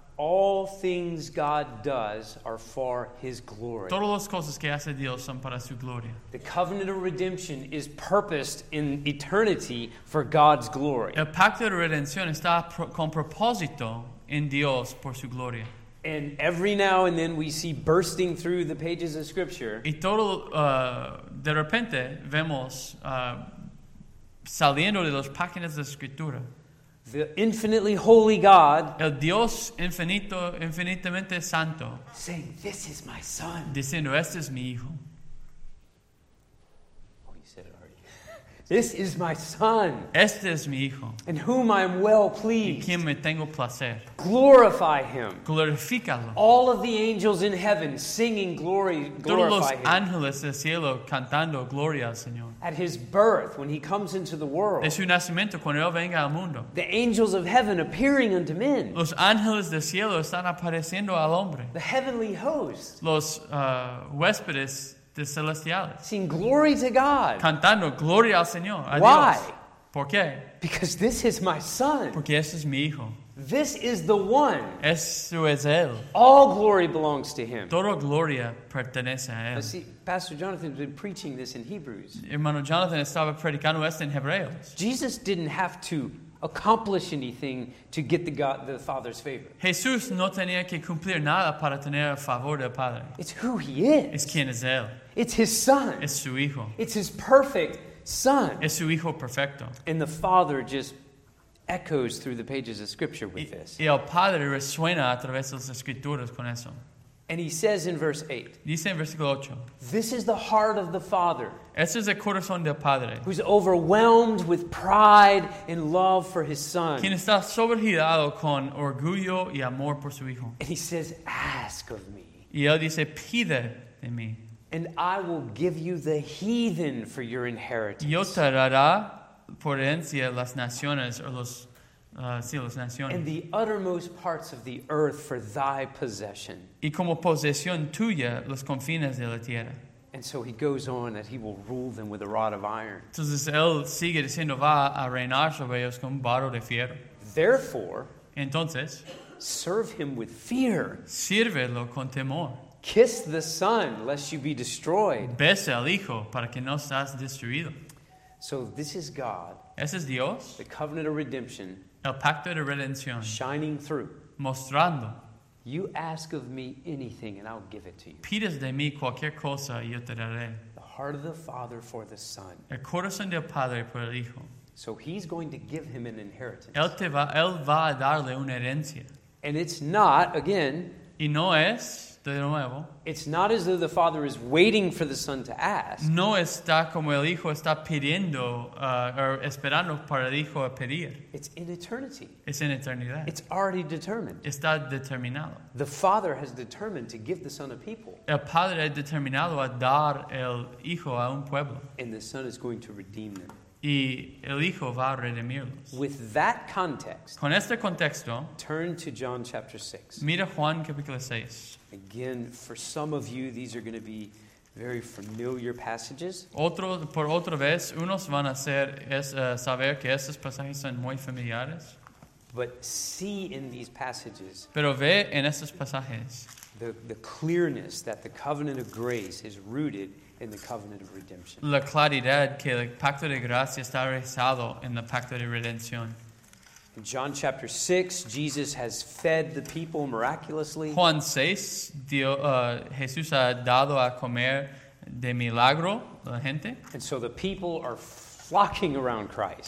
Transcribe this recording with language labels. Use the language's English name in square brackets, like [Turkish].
[English] All things God does are for His glory. [Spanish] Todas las cosas que hace Dios son para su gloria. [English] The covenant of redemption is purposed in eternity for God's glory. [Spanish] El pacto de redención está con propósito en Dios por su gloria. [English] And every now and then we see bursting through the pages of Scripture. [Spanish] Y todo, de repente, vemos saliendo de los páginas de Escritura. [English] The infinitely holy God. [Spanish] El Dios infinito, infinitamente santo. [English] Saying, this is my son. [Spanish] Diciendo, este es mi hijo. [English] Oh, you said it already. This is my son. [Spanish] Este es mi hijo. [English] In whom I am well pleased. [Spanish] Y quien me tengo placer. [English] Glorify him. [Spanish] Glorifícalo. [English] All of the angels in heaven singing glory, glorify him. [Spanish] Todos los [English] him. [Spanish] Ángeles del cielo cantando gloria al Señor. [English] At his birth, when he comes into the world. [Spanish] En su nacimiento, cuando él venga al mundo. [English] The angels of heaven appearing unto men. [Spanish] Los ángeles del cielo están apareciendo al hombre. [English] The heavenly host. [Spanish] Los huéspedes. De celestiales. [English] Sing glory to God. [Spanish] Cantando gloria al Señor. A [English] Why? [Spanish] Dios. ¿Por qué? [English] Because this is my son. [Spanish] Porque este es mi hijo. [English] This is the one. [Spanish] Eso es él. [English] All glory belongs to him. [Spanish] Toda gloria pertenece a él. [English] But see, Pastor Jonathan has been preaching this in Hebrews. [Spanish] Hermano Jonathan estaba predicando esto en Hebreos. [English] Jesus didn't have to accomplish anything to get the Father's favor. [Spanish] Jesús no tenía que cumplir nada para tener el favor del Padre. [English] It's who he is. [Spanish] Es quien es él. [English] It's his son. [Spanish] Es su hijo. [English] It's his perfect son. [Spanish] Es su hijo perfecto. [English] And the Father just echoes through the pages of Scripture with this. [Spanish] Y el Padre resuena a través de las Escrituras con eso. [English] And he says in verse 8. [Spanish] Dice en versículo 8. [English] This is the heart of the Father. [Spanish] Este es el corazón del Padre. [English] Who's overwhelmed with pride and love for his son. [Spanish] Quien está sobregirado con orgullo y amor por su hijo. [English] And he says, ask of me. [Spanish] Y él dice, pide de mí. [English] And I will give you the heathen for your inheritance. [Spanish] Yo te dará por herencia las naciones o los sí, las naciones. [English] And the uttermost parts of the earth for thy possession. [Spanish] Y como posesión tuya los confines de la tierra. [English] And so he goes on that he will rule them with a rod of iron. [Spanish] Entonces él sigue diciendo va a reinar sobre ellos con un barro de fierro. [English] Therefore, [Spanish] entonces, [English] serve him with fear. [Spanish] Sírvelo con temor. [English] Kiss the son, lest you be destroyed. [Spanish] Besa al hijo para que no seas destruido. [English] So this is God. [Spanish] Ese es Dios. [English] The covenant of redemption. [Spanish] El pacto de redención. [English] Shining through. [Spanish] Mostrando. [English] You ask of me anything and I'll give it to you. [Spanish] Pides de mí cualquier cosa y yo te daré. [English] The heart of the Father for the Son. [Spanish] El corazón del Padre por el Hijo. [English] So he's going to give him an inheritance. [Spanish] Él va a darle una herencia. [English] And it's not, again. [Spanish] Y no es, de nuevo. [English] It's not as though the Father is waiting for the Son to ask. [Spanish] No está como el Hijo está pidiendo, esperando para el Hijo a pedir. [English] It's in eternity. [Spanish] Es en eternidad. [English] It's already determined. [Spanish] Está determinado. [English] The Father has determined to give the Son a people. [Spanish] El Padre ha determinado a dar el Hijo a un pueblo. [English] And the Son is going to redeem them. [Spanish] Y el Hijo va a redimirlos. [English] With that context. [Spanish] Con este contexto. [English] Turn to John chapter 6. [Spanish] Mira Juan capítulo 6. [English] Again, for some of you, these are going to be very familiar passages. [Spanish] Otro, por otra vez, unos van a ser, saber que estos pasajes son muy familiares. [English] But see in these passages. [Spanish] Pero ve en estos pasajes. [English] The clearness that the covenant of grace is rooted in the covenant of redemption. [Spanish] La claridad que el pacto de gracia está arraigado en el pacto de redención. [English] In John chapter 6, Jesus has fed the people miraculously. [Spanish] Juan 6, Jesús ha dado a comer de milagro a la gente. [English] And so the people are flocking around Christ.